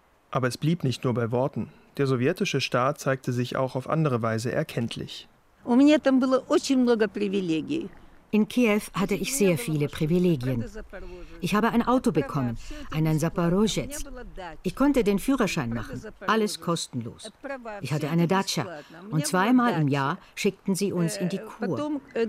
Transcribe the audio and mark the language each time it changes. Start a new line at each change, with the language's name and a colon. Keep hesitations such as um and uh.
German: Aber es blieb nicht nur bei Worten. Der sowjetische Staat zeigte sich auch auf andere Weise erkenntlich.
Russian: У меня там было очень много привилегий.
German: In Kiew hatte ich sehr viele Privilegien. Ich habe ein Auto bekommen, einen Saporozhets. Ich konnte den Führerschein machen, alles kostenlos. Ich hatte eine Datscha und zweimal im Jahr schickten sie uns in die Kur.